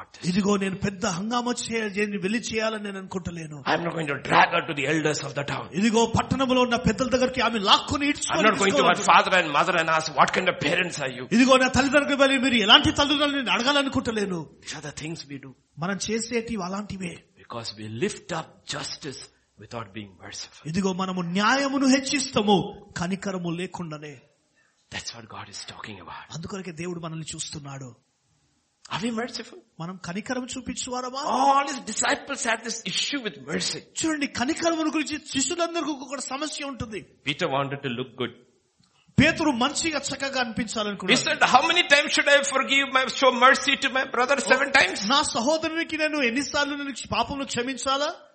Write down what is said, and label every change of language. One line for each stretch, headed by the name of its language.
Telugu: ఇదిగో నేను పెద్ద హంగామా వెళ్లి చేయాలని నేను అనుకుంటలేను.
English: I'm not going to drag her to the elders of the town.
Telugu: ఇదిగో పట్టణంలో ఉన్న పెద్దల దగ్గరికి ఆమె లాక్కుని ఇడ్చుకోను.
English: I'm not going to her father and mother and ask what kind of parents are you.
Telugu: ఇదిగో నా తల్లిదండ్రులకు వెళ్లి మీరు ఎలాంటి తల్లిదండ్రులు నేను అడగాలనుకుంటలేను.
English: These are the things we do.
Telugu: మనం చేసేటివి అలాంటివే.
English: Because we lift up justice without being merciful.
Telugu: ఇదిగో మనము న్యాయమును హెచ్చిస్తాము కనికరము లేకుండానే.
English: That's what God is talking about.
Telugu: అందుకొరకే దేవుడు మనల్ని చూస్తున్నాడు.
English: Are we merciful?
Telugu: మనం కనికరము చూపించువారమా?
English: All his disciples had this issue with mercy.
Telugu: చూడండి కనికరము గురించి శిష్యులందరికీ ఒక సమస్య ఉంటుంది.
English: Peter wanted to look good.
Telugu: పేతురు మంచిగా చక్కగా అనిపించాలనుకున్నాడు.
English: He said, how many times should I forgive my show mercy to my brother? 7 times?
Telugu: నా సహోదరునికి నేను ఎన్నిసార్లు నేను పాపమును క్షమించాలా?